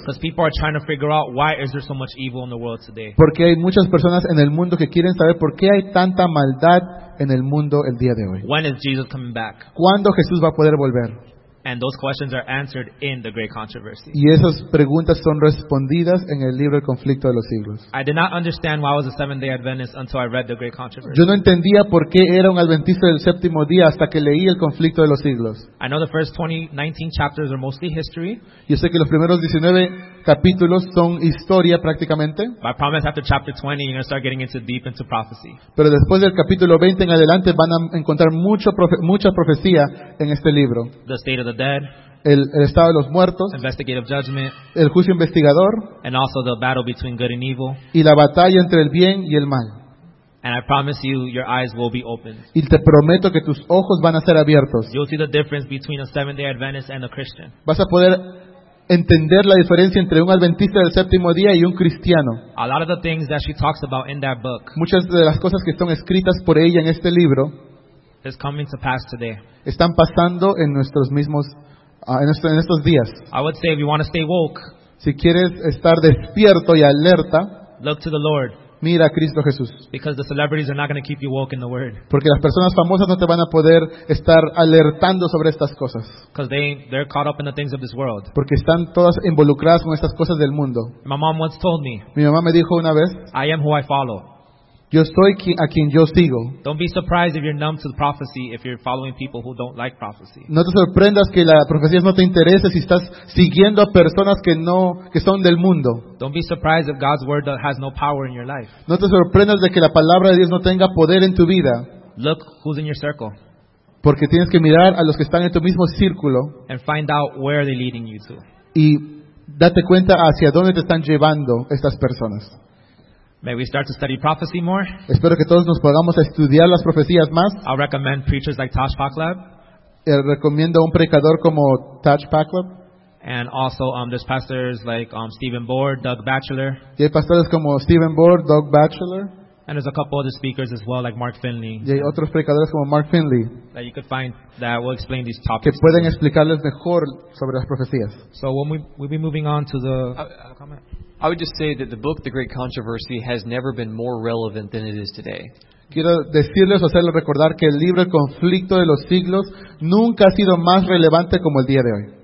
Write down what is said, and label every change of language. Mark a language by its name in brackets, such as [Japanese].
[English] Because people are trying to figure out why is there so much evil in the world today. [Spanish] Porque hay muchas personas en el mundo que quieren saber por qué hay tanta maldad en el mundo el día de hoy. [English] When is Jesus coming back? [Spanish] ¿Cuándo Jesús va a poder volver? [English] And those questions are answered in The Great Controversy. [Spanish] Y esas preguntas son respondidas en el libro El conflicto de los siglos. [English] I did not understand why I was a Seventh-day Adventist until I read The Great Controversy. [Spanish] Yo no entendía por qué era un adventista del séptimo día hasta que leí El conflicto de los siglos. [English] I know the first 19 chapters are mostly history. [Spanish] Yo sé que los primeros 19 capítulos son historia prácticamente. [English] But I promise after chapter 20 you're going to start getting into deep into prophecy. [Spanish] Pero después del capítulo 20 en adelante van a encontrar mucha profecía en este libro. [English] The state of the dead, [Spanish] el estado de los muertos, [English] investigative judgment, [Spanish] el juicio investigador, [English] and also the battle between good and evil, [Spanish] y la batalla entre el bien y el mal. [English] And I promise you, your eyes will be opened. [Spanish] Y te prometo que tus ojos van a ser abiertos. [English] You'll see the difference between a Seventh-day Adventist and a Christian. [Spanish] Vas a poder entender la diferencia entre un adventista del séptimo día y un cristiano. [English] A lot of the things that she talks about in that book, [Spanish] muchas de las cosas que son escritas por ella en este libro, [English] is coming to pass today. [Spanish] Están pasando en nuestros mismos en estos días. [English] I would say if you want to stay woke, [Spanish] si quieres estar despierto y alerta, [English] look to the Lord. [Spanish] Mira a Cristo Jesús. [English] Because the celebrities are not going to keep you woke in the word. [Spanish] Porque las personas famosas no te van a poder estar alertando sobre estas cosas. [English] Because they're caught up in the things of this world. [Spanish] Porque están todas involucradas con estas cosas del mundo. [English] My mom once told me. [Spanish] Mi mamá me dijo una vez. [English] I am who I follow. [Spanish] Yo soy a quien yo sigo. [English] Don't be surprised if you're numb to the prophecy if you're following people who don't like prophecy. [Spanish] No te sorprendas que la profecía no te interese si estás siguiendo a personas que son del mundo. [English] Don't be surprised if God's word has no power in your life. [Spanish] No te sorprendas de que la palabra de Dios no tenga poder en tu vida. [English] Look who's in your circle. [Spanish] Porque tienes que mirar a los que están en tu mismo círculo. [English] And find out where are they leading you to. [Spanish] Y date cuenta hacia dónde te están llevando estas personas. [English] May we start to study prophecy more? [Spanish] Espero que todos nos podamos estudiar las profecías más. [English] I recommend preachers like Tosh Paklab. [Spanish] Recomiendo a un predicador como Tosh Paklab. [English] And also there's pastors like Stephen Bohr, Doug Batchelor. [Spanish] Y hay pastores como Stephen Bohr, Doug Batchelor. [English] And there's a couple other speakers as well, like Mark Finley. [Spanish] Y hay otros predicadores como Mark Finley. [English] That you could find that will explain these topics. [Spanish] Que pueden explicarles mejor sobre las profecías. [English] So we'll be moving on to the comment. I would just say that the book, The Great Controversy, has never been more relevant than it is today. [Spanish] Quiero decirles, hacerles recordar que el libro El Conflicto de los Siglos nunca ha sido más relevante como el día de hoy.